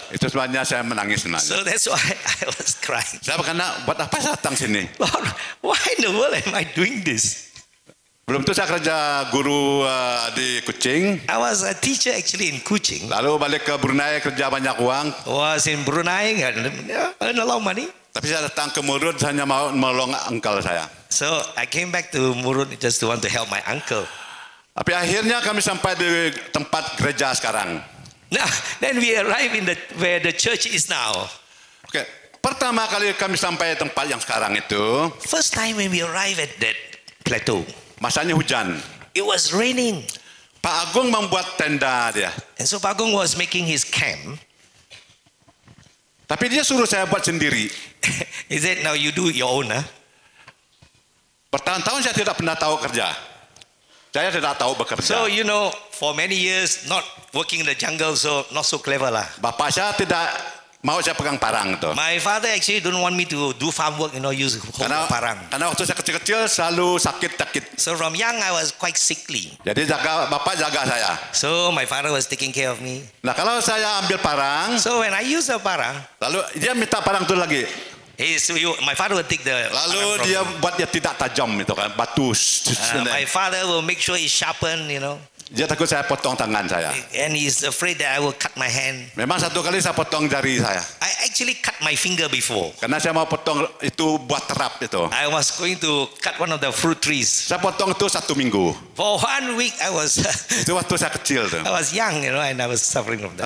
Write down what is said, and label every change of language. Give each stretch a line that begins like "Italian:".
Indonesian: Itu sebabnya saya menangis sebenarnya.
English: So that's why I was crying.
Indonesian: Saya karena buat apa saya datang sini?
English: Why in the world am I doing this?
Indonesian: Belum tu saya kerja guru di Kuching.
English: I was a teacher actually in Kuching.
Indonesian: Lalu balik ke Brunei kerja banyak uang.
English: Was in Brunei and earn a lot of money.
Indonesian: Tapi saya datang ke Murut hanya mau menolong uncle saya.
English: So I came back to Murut just to want to help my uncle.
Indonesian: Tapi akhirnya kami sampai di tempat gereja sekarang.
English: Nah, then we arrive in the where the church is now. Okay.
Indonesian: Pertama kali kami sampai tempat yang sekarang itu.
English: First time when we arrive at that plateau.
Indonesian: Masanya hujan.
English: It was raining.
Indonesian: Pak Agung membuat tenda dia.
English: And so Pak Agung was making his camp.
Indonesian: Tapi dia suruh saya buat sendiri.
English: He said, now you do your own, huh?
Indonesian: Bertahun-tahun saya tidak pernah tahu kerja. Saya tidak tahu bekerja.
English: So you know, for many years not working in the jungle, so not so clever lah.
Indonesian: Bapak saya tidak mau saya pegang parang itu.
English: My father actually don't want me to do farm work, you know, use
Indonesian: karena, parang. Karena waktu saya kecil-kecil selalu sakit-sakit.
English: So from young I was quite sickly.
Indonesian: Jadi jaga bapak jaga saya.
English: So my father was taking care of me.
Indonesian: Nah kalau saya ambil parang.
English: So when I use a parang.
Indonesian: Lalu dia minta parang itu lagi.
English: Hey, so you, my father will take the.
Indonesian: Lalu dia buat dia tidak tajam itu kan, batu.
English: My father will make sure it's sharpened, you know.
Indonesian: Dia takut saya potong tangan saya.
English: And he's afraid that I will cut my hand.
Indonesian: Memang satu kali saya potong jari saya.
English: I actually cut my finger before.
Indonesian: Karena saya mau potong itu buat terap itu.
English: I was going to cut one of the fruit trees.
Indonesian: Saya potong itu satu minggu.
English: For 1 week I was.
Indonesian: Itu waktu saya kecil tu.
English: I was young, you know, and I was suffering from that.